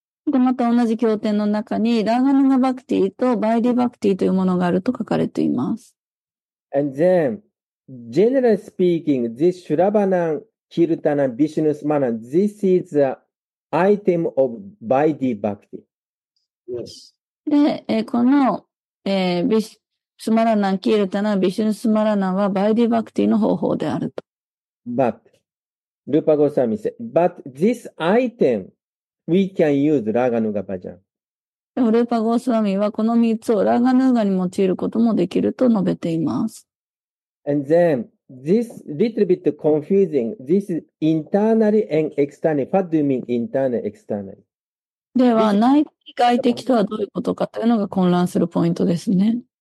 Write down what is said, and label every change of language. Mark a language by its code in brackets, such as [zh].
[ja] で、また同じ経典の中に、Raghunuga Bhakti と Vaidhi Bhakti というものがあると書かれています。 [en] And then, generally speaking, this Shravanam, Kirtanam, Vishnu Smaranam, this is the item of Vaidhi Bhakti. Yes. [ja] で、この、スマラナン、キルタナ、ビシュヌスマラナンはバイディバクティの方法であると。 [en] But, Rupa Goswami said, but this item, we can use Raghunuga Bhajan. [ja] でも、ルーパゴスワミはこの3つをラガヌーガに用いることもできると述べています。 [en] And then, this little bit confusing, this is internally and externally. What do you mean internally, externally? [ja] では、内的、外的とはどういうことかというのが混乱するポイントですね。